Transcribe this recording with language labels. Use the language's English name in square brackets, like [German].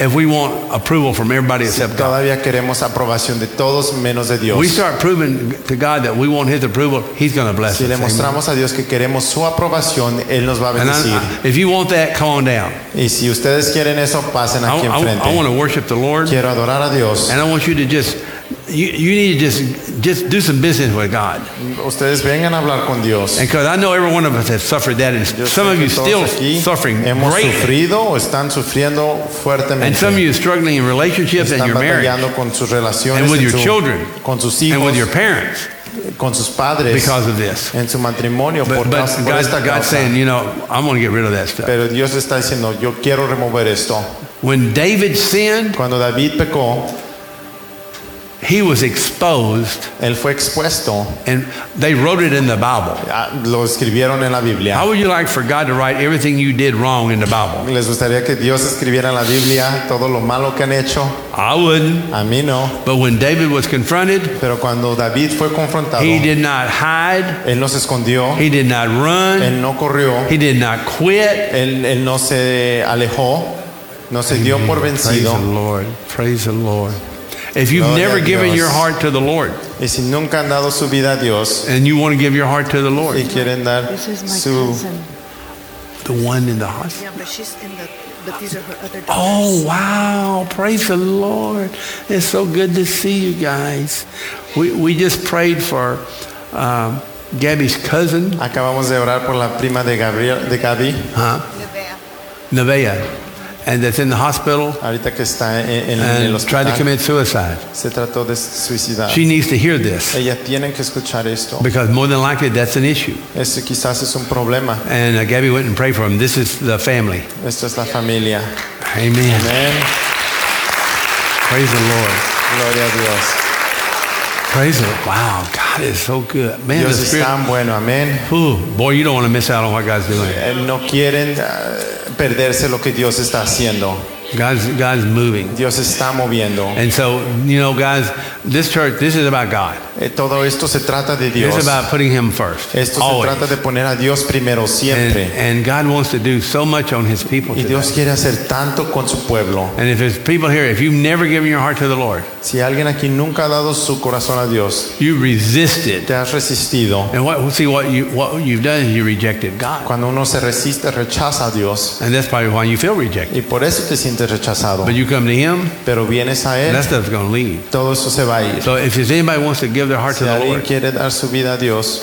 [English] If we want approval from everybody except God. [Spanish] Todavía queremos aprobación de todos menos de Dios. [English] We start proving to God that we want his approval, he's going to bless us. [Spanish] Si le mostramos a Dios que queremos su aprobación, él nos va a bendecir. [English] If you want that, come on down. [Spanish] Y si ustedes quieren eso, pasen aquí enfrente. [English] I want to worship the Lord. [Spanish] Quiero adorar a Dios. [English] And I want you to just do some business with God. [Spanish] Ustedes vengan a hablar con Dios. [English] And because I know every one of us has suffered that, and some of you still suffering. [Spanish] Hemos [English] greatly. [Spanish] Sufrido o están sufriendo fuertemente. [English] And some of you are struggling in relationships [Spanish] están [English] and your marriage. [Spanish] Batallando con sus relaciones [English] and with your children. [Spanish] Con sus hijos. [English] And with your parents. [Spanish] Con sus padres, [English] because of this. [Spanish] En su matrimonio, [English] but God's saying, you know, I'm going to get rid of that stuff. [Spanish] Pero Dios está diciendo, yo quiero remover esto. [English] When David sinned, [Spanish] cuando David pecó, [English] he was exposed. [Spanish] Él fue expuesto. [English] And they wrote it in the Bible. [Spanish] Lo escribieron en la Biblia. [English] How would you like for God to write everything you did wrong in the Bible? [Spanish] ¿Les gustaría que Dios escribiera en la Biblia todo lo malo que han hecho? [English] I wouldn't. [Spanish] A mí no. [English] But when David was confronted, [Spanish] pero cuando David fue confrontado, [English] he did not hide. [Spanish] Él no se escondió. [English] He did not run. [Spanish] Él no corrió. [English] He did not quit. [Spanish] Él no se alejó. No se dio por vencido. [English] Praise the Lord. Praise the Lord. If you've [Spanish] Gloria [English] never [Spanish] Dios. [English] Given your heart to the Lord, [Spanish] y si nunca han dado su vida a Dios, [English] and you want to give your heart to the Lord, [Spanish] y quieren dar [English] this is my [Spanish] su, [English] cousin. The one in the hospital. Yeah, but she's in but these are her other daughters. Oh, wow. Praise the Lord. It's so good to see you guys. We just prayed for Gabby's cousin. [Spanish] Acabamos de orar por la prima de Gabriel, de Gabby. Huh? Nevaeh. [English] and that's in the hospital [Spanish] ahorita que está en [English] and [Spanish] el hospital, [English] tried to commit suicide. [Spanish] Se trató de suicidar. [English] She needs to hear this. [Spanish] Ella tiene que escuchar esto. [English] Because more than likely that's an issue. [Spanish] Este quizás es un problema. [English] And Gabby went and prayed for him. This is the family. [Spanish] Esta es la familia. Amen. Amen. [English] Praise the Lord. [Spanish] Gloria a Dios. [English] Praise the Lord. Wow, God is so good. Man, [Spanish] Dios es tan bueno. Amen. [English] Ooh, boy, you don't want to miss out on what God's doing. [Spanish] No quieren perderse lo que Dios está haciendo. [English] God's moving. [Spanish] Dios está moviendo. [English] And so, you know, guys, this church, this is about God. [Spanish] Todo esto se trata de Dios. [English] It's about putting Him first. [Spanish] Esto [English] always. [Spanish] Se trata de poner a Dios primero siempre. [English] And God wants to do so much on His people. [Spanish] Y Dios [English] today. [Spanish] Quiere hacer tanto con su pueblo. [English] And if there's people here, if you've never given your heart to the Lord, [Spanish] si alguien aquí nunca ha dado su corazón a Dios, [English] you resisted. [Spanish] Te has resistido. [English] And what you've done is you rejected God. [Spanish] Cuando uno se resiste, rechaza a Dios. [English] And that's probably why you feel rejected. [Spanish] Y por eso te sientes rechazado. [English] But you come to Him, [Spanish] pero vienes a él, [English] that stuff's going to leave. [Spanish] Todo eso se va a ir. [English] So if anybody wants to give their heart [Spanish] si [English] to the Lord, [Spanish] quiere dar su vida a Dios,